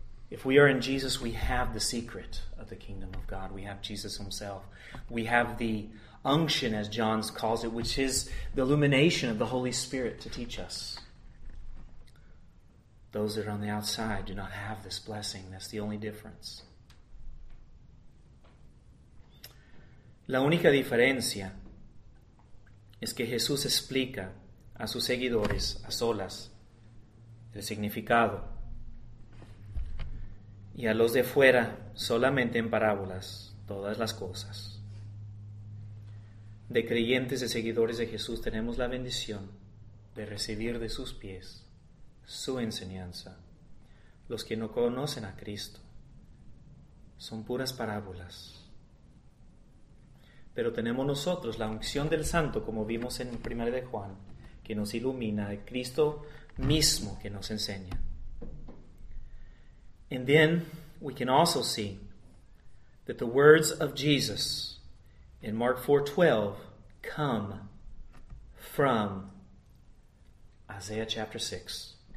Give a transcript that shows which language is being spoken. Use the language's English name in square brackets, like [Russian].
[English] If we are in Jesus, we have the secret of the kingdom of God. We have Jesus himself. We have the unction, as John calls it, which is the illumination of the Holy Spirit to teach us. Those that are on the outside do not have this blessing. That's the only difference. [Spanish] La única diferencia es que Jesús explica a sus seguidores a solas el significado. Y a los de fuera, solamente en parábolas, todas las cosas. De creyentes, de seguidores de Jesús, tenemos la bendición de recibir de sus pies su enseñanza. Los que no conocen a Cristo son puras parábolas. Pero tenemos nosotros la unción del Santo, como vimos en 1 de Juan, que nos ilumina, el Cristo mismo que nos enseña. [English] And then we can also see that the words of Jesus in Mark 4:12 come from Isaiah chapter 6.